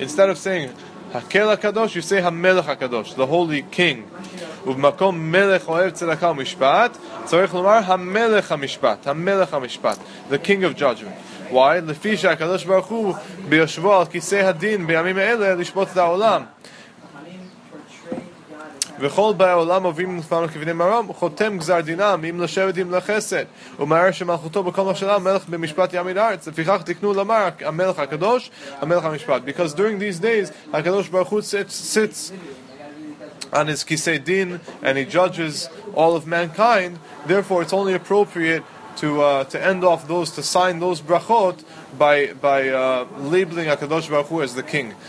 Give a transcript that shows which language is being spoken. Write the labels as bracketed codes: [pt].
[en] Instead of saying HaKel HaKadosh, you say HaMelech HaKadosh, the Holy King. [he] ובמקום מלך אוהב צדקה ומשפט, צריך לומר המלך המשפט, המלך המשפט, [en] the king of judgment. Why? [he] לפי שהקדוש ברוך הוא ביושבו על כיסא הדין בימים האלה לשפוט את העולם. וכל באי עולם עוברים לפעמים כבני מרום, חותם גזר דינם, אם לשבת עם לחסד, ומהר שמלכותו בכל משלה, מלך במשפט ימין ארץ, לפיכך תקנו למר, המלך הקדוש, המלך המשפט. [en] Because during these days, הקדוש ברוך הוא sits on his kisei din, and he judges all of mankind. Therefore, it's only appropriate to sign those brachot by labeling HaKadosh Baruch Hu as the king.